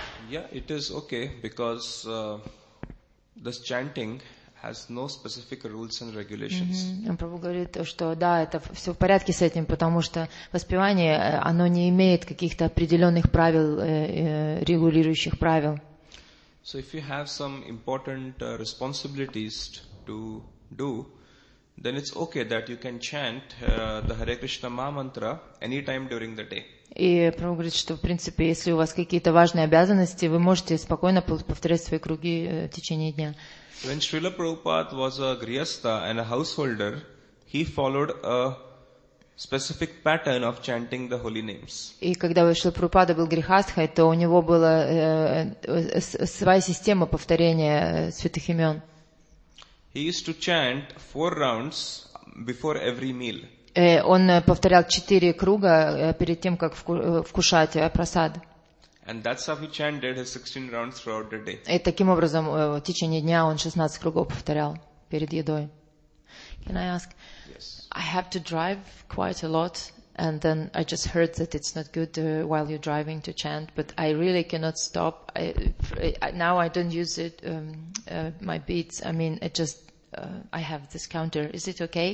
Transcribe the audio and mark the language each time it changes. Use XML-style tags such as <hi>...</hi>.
<en>Yeah, it is okay, because this chanting has no specific rules and regulations.</en> <ru>Прабху говорит, что да, это все в порядке с этим, потому что воспевание, оно не имеет каких-то определенных правил, регулирующих правил.</ru> <en>So if you have some important responsibilities to do, then it's okay that you can chant the Hare Krishna Maha Mantra anytime during the day.</en> <ru>И Прабху говорит, что в принципе, если у вас какие-то важные обязанности, вы можете спокойно повторять свои круги в течение дня.</ru> <en>When Srila Prabhupada was a grihastha and a householder, he followed a specific pattern of chanting the holy names.</en> <ru>И когда Шрила Прабхупада был грихастхой, то у него была своя система повторения святых имен.</ru> <en>He used to chant four rounds before every meal.</en> <ru>Он повторял четыре круга перед тем, как вкушать прасад.</ru> <en>And that's how he chanted his 16 rounds throughout the day.</en> <ru>И таким образом в течение дня он 16 кругов повторял перед едой.</ru> <en>Can I ask? Yes. I have to drive quite a lot, and then I just heard that it's not good while you're driving to chant, but I really cannot stop. Now I don't use it, my beats. I mean, it just, I have this counter. Is it okay?</en>